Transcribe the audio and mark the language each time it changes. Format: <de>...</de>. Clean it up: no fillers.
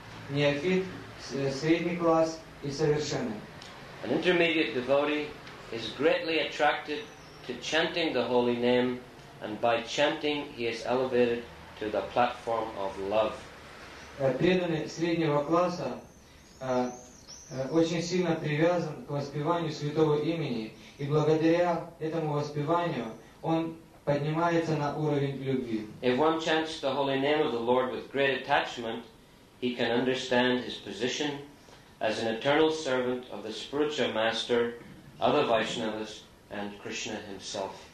<ru>Неофит, средний класс и совершенный.</ru> <en>An intermediate devotee is greatly attracted to chanting the holy name, and by chanting he is elevated to the platform of love.</en> <ru>Преданный среднего класса очень сильно привязан к воспеванию святого имени, и благодаря этому воспеванию он поднимается на уровень любви.</ru> <en>If one chants the holy name of the Lord with great attachment, he can understand his position as an eternal servant of the spiritual master, other Vaishnavas, and Krishna himself.</en>